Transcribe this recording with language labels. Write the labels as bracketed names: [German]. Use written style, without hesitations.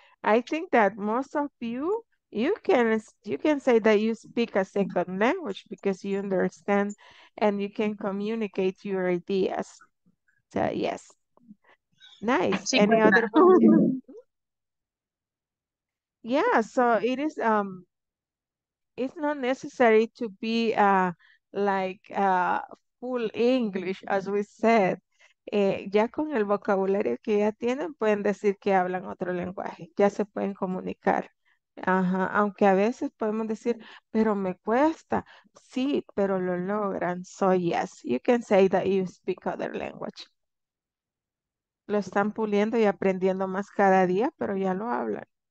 [English] I think that most of you can say that you speak a second language because you understand and you can communicate your ideas. So yes. Nice. Sí, any other Yeah, so it is it's not necessary to be full English, as we said. [Spanish] Ya con el vocabulario que ya tienen, pueden decir que hablan otro lenguaje. Ya se pueden comunicar. Ajá. Aunque a veces podemos decir, pero me cuesta. Sí, pero lo logran. [English] So yes, you can say that you speak other language. [Spanish] Lo están puliendo y aprendiendo más cada día, pero ya lo hablan.